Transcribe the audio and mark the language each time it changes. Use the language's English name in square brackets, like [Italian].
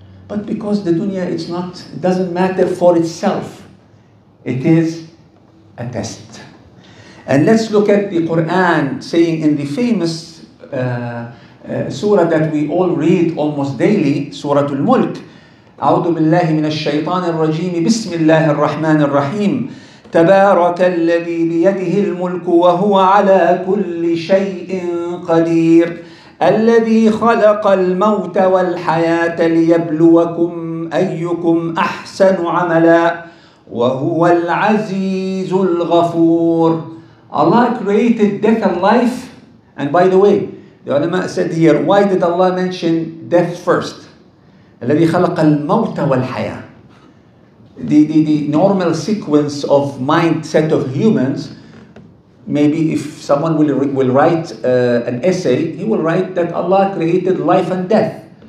[English] But because the dunya, it doesn't matter for itself. It is a test. And let's look at the Quran saying in the famous surah that we all read almost daily, Surah Al-Mulk. [Arabic] أعوذ بالله من الشيطان الرجيم بسم الله الرحمن الرحيم تبارك الذي بيده الملك وهو على كل شيء قدير الذي خلق الموت والحياة ليبلوكم أيكم أحسن عملا وهو العزيز الغفور. [English] Allah created death and life. And by the way, the ulama said here, why did Allah mention death first? [Arabic] الذي خلق الموت والحياة. [English] The normal sequence of mindset of humans, maybe if someone will write an essay, he will write that Allah created life and death.